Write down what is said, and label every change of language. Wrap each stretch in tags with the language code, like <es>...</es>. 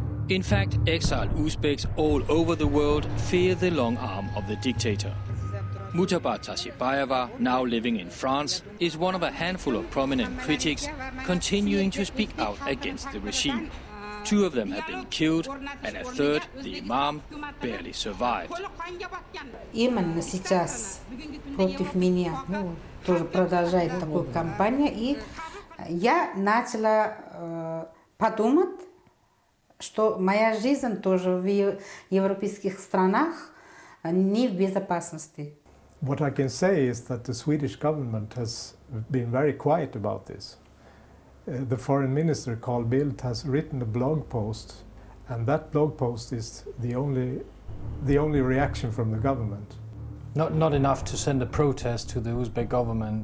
<en>In fact, exiled Uzbeks all over the world fear the long arm of the dictator. Mutaba Tashibayeva, now living in France, is one of a handful of prominent critics continuing to speak out against the regime. Two of them have been killed, and a third, the imam, barely survived. Even now, against me,</en> <ru>тоже продолжает такую кампанию, и я начала подумать, что моя жизнь тоже в европейских странах не в безопасности.</ru> <en>What I can say is that the Swedish government has been very quiet about this. The foreign minister, Carl Bildt, has written a blog post, and that blog post is the only reaction from the government. Not enough to send a protest to the Uzbek government.</en>